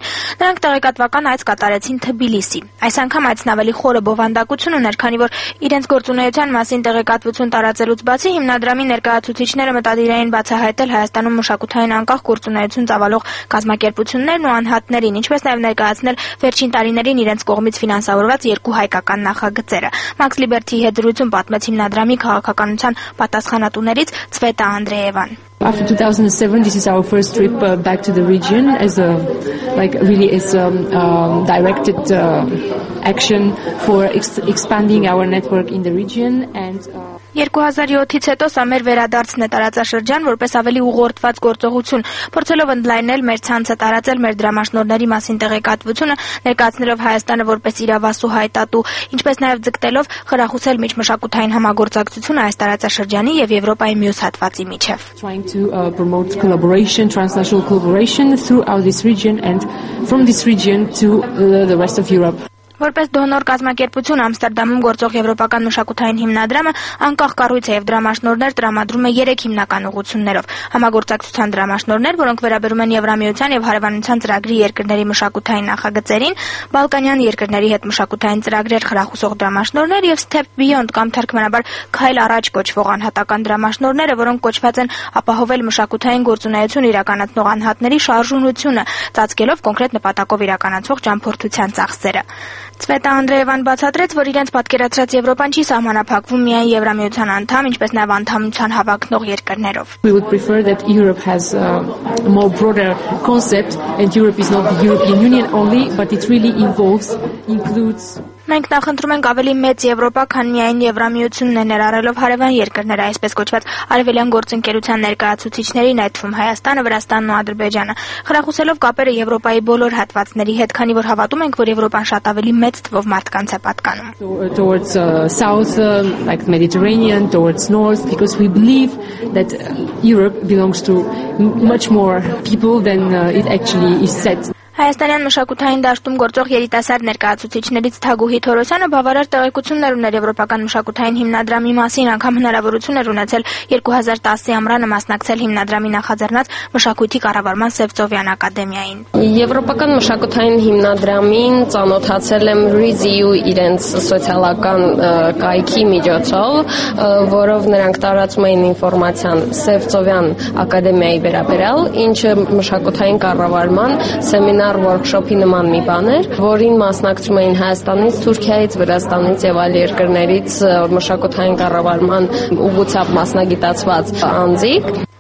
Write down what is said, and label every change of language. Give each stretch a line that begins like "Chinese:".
Armenian: ներկային, նրանք տեղեկատվական այց կատարեցին Թբիլիսի։ Այս անգամ այցն ավելի խորը բովանդակություն ուներ, քանի որ իրենց գործունեության մասին տեղեկատվություն տարածելուց բացի հիմնադրամի ներկայացուցիչները մտադիրային բացահայտել Հայաստանում մշակութային անկախ գործունեություն ծավալող կազմակերպություններն ու անհատներին, ինչպես նաև ներկայացնել վերջին տարիներին իրենց կողմից ֆինանսավորված երկու հայկական նախագծերը։ Մաքս Լիբերթի հետ դրույթում պատմեց հիմնադրամի քաղաքականության պատասխանատուներից Ցվետա Անդրեևան։
English: After 2007, this is our first trip back to the region as a, like, really as a directed action for expanding our network in the region and...
Armenian: 2007-ից հետո սա մեր վերադարձն է տարածաշրջան որպես ավելի ուղղորդված գործողություն, փորձելով ընդլայնել մեր ցանցը տարածել մեր դրամաշնորների մասին տեղեկատվությունը, ներկայացնելով Հայաստանը որպես իրավասու հայտատու, ինչպես նաև ձգտելով խրախուսել միջմշակութային համագործակցությունը այս տարածաշրջանի եւ Եվրոպայի մյուս հատվածի միջև.
English: Trying to promote collaboration, transnational collaboration throughout this region and from this region to the rest of Europe.
Armenian: Որպես դոնոր կազմակերպություն Ամստերդամում գործող Եվրոպական մշակութային հիմնադրամը անկախ կառույց է եւ դրամաշնորներ տրամադրում է 3 հիմնական ուղղություններով. համագործակցության դրամաշնորներ, որոնք վերաբերում են Եվրամիության եւ Հարավանության ծրագրի երկրների մշակութային նախագծերին, Բալկանյան երկրների հետ մշակութային ծրագրեր խրախուսող դրամաշնորներ եւ Step Beyond կամ թարգմանաբար Քայլ առաջ կոչվող անհատական դրամաշնորները, որոնք կոչված են ապահովել մշակութային գործունեություն իրականացնող անհատների շարժունությունը, ծածկելով կոնկրետ նպատակով իրականացող ճամփորդության ծախսերը. Ցվետա Անդրեևան բացատրեց, որ իրենց պատկերացրած Եվրոպան չի սահմանափակվում միայն Եվրամիության անդամ, ինչպես նաև անդամության հավաքնող երկրներով։
English: We would prefer that Europe has a more broader concept and Europe is not the European Union only, but it really includes
Armenian: Մենք նախընտրում ենք ավելի մեծ Եվրոպա, քան միայն Եվրամիությունն է ներառելով հարևան երկրները, այսպես կոչված արևելյան գործընկերության ներկայացուցիչներին, այդվում Հայաստանը, Վրաստանն ու Ադրբեջանը, խրախուսելով կապերը Եվրոպայի բոլոր հատվածների հետ, քանի որ հավատում ենք, որ Եվրոպան շատ ավելի մեծ թվով մարդկանց է պատկանում։
English: Towards south, like Mediterranean, towards north, because we believe that Europe belongs to much more people than it actually is said.
Armenian: Հայաստանյան մշակութային դաշտում գործող երիտասարդ ներկայացուցիչներից Թագուհի Թորոսյանը բավարար տեղեկություններ ուներ Եվրոպական մշակութային հիմնադրամի մասին, անգամ հնարավորություն էր ունեցել 2010-ի ամռանը մասնակցել հիմնադրամի նախաձեռնած մշակույթի կառավարման Սևծովյան ակադեմիային։ Եվրոպական մշակութային հիմնադրամին ծանոթացել եմ Reziu իրենց սոցիալական կայքի միջոցով, որով նրանք տարածում էին ինֆորմացիան Սևծովյան ակադեմիայի վերաբերյալ, ինչը մշակութային կառավարման նար workshop-ի նման մի բան էր, որին մասնակցում էին Հայաստանից, Թուրքիայից, Վրաստանից եւ այլ երկրներից մշակութային կառավարման ուղղությամբ մասնագիտացված անձիկ։